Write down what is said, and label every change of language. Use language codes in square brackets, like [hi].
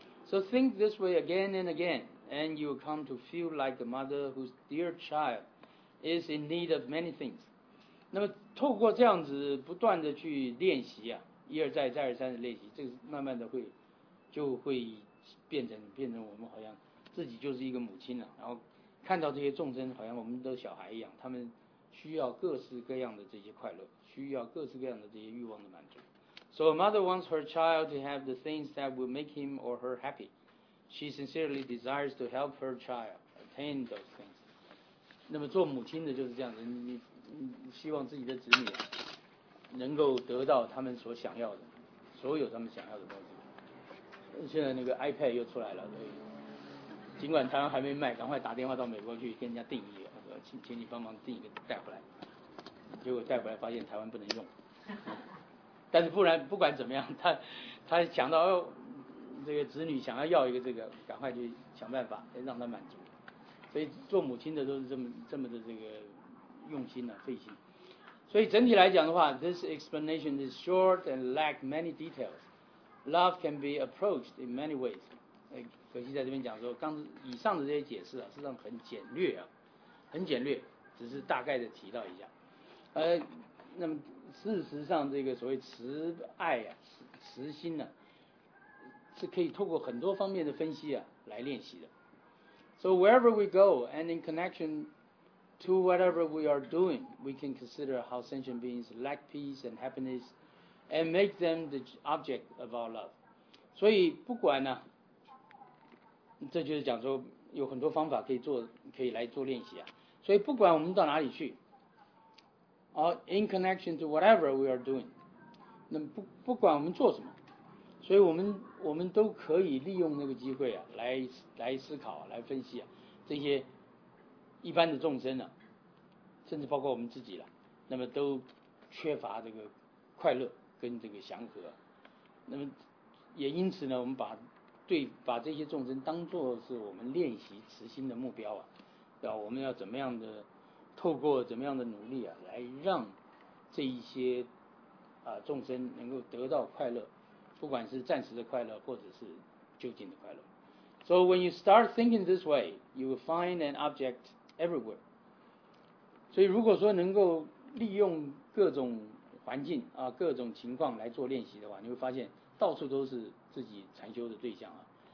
[en] So think this way again and again and you will come to feel like a mother whose dear child is in need of many things。 [zh] 那么透过这样子不断的去练习啊，一而再再而三的练习，这个慢慢的会就会变成我们好像自己就是一个母亲了，然后看到这些众生好像我们都小孩一样，他们需要各式各样的这些快乐，需要各式各样的这些欲望的满足。 [en] So a mother wants her child to have the things that will make him or her happy. She sincerely desires to help her child attain those things. [zh] 那么做母亲的就是这样子， 你希望自己的子女能够得到他们所想要的，所有他们想要的东西。现在那个 iPad 又出来了，所以尽管台湾还没卖，赶快打电话到美国去跟人家订一个，请你帮忙订一个带回来，结果带回来发现台湾不能用，但是不管怎么样，他想到、这个子女想要一个这个，赶快去想办法让他满足。所以做母亲的都是这么的这个用心啊，费心。所以整体来讲的话， [en] This explanation is short and lack many details. Love can be approached in many ways. [zh] 可惜在这边讲说刚以上的这些解释啊，实际上很简略啊，很简略，只是大概的提到一下。那么事实上这个所谓慈爱啊， 慈心呢、是可以透过很多方面的分析啊来练习的。 [en] So wherever we go and in connection to whatever we are doing, we can consider how sentient beings lack peace and happiness and make them the object of our love. [zh] 所以不管呢、这就是讲说有很多方法可以做，可以来做练习啊。所以不管我们到哪里去 [en] in connection to whatever we are [zh] doing， 那 不管我们做什么，所以我们都可以利用那个机会啊，来思考、来分析啊，这些一般的众生啊，甚至包括我们自己了，那么都缺乏这个快乐跟这个祥和，那么也因此呢，我们把这些众生当作是我们练习慈心的目标啊。对吧，我们要怎么样的透过怎么样的努力啊，来让这一些众生能够得到快乐，不管是暂时的快乐或者是究竟的快乐。 [en] So when you start thinking this way, you will find an object everywhere. [zh] 所以如果说能够利用各种环境啊，各种情况来做练习的话，你会发现到处都是自己禅修的对象啊。